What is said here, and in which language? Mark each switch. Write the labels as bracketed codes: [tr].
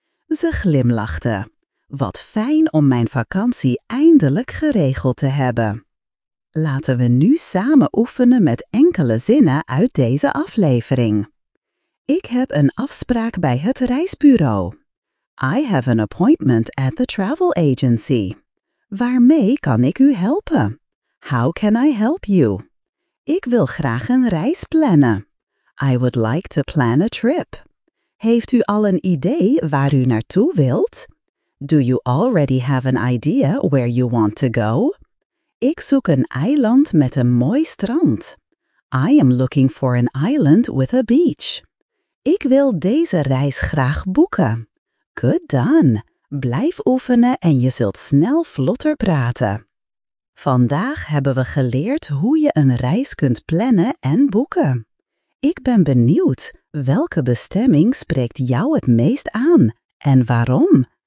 [nl] Ze glimlachte. "Wat fijn om mijn vakantie eindelijk geregeld te hebben." Laten we nu samen oefenen met enkele zinnen uit deze aflevering. Ik heb een afspraak bij het reisbureau. [en] I have an appointment at the travel agency. [nl] Waarmee kan ik u helpen? [en] How can I help you? [nl] Ik wil graag een reis plannen. [en] I would like to plan a trip. [nl] Heeft u al een idee waar u naartoe wilt? [en] Do you already have an idea where you want to go? [nl] Ik zoek een eiland met een mooi strand. [en] I am looking for an island with a beach. [nl] Ik wil deze reis graag boeken. [en] Good done. [nl] Blijf oefenen en je zult snel vlotter praten. Vandaag hebben we geleerd hoe je een reis kunt plannen en boeken. Ik ben benieuwd, welke bestemming spreekt jou het meest aan en waarom?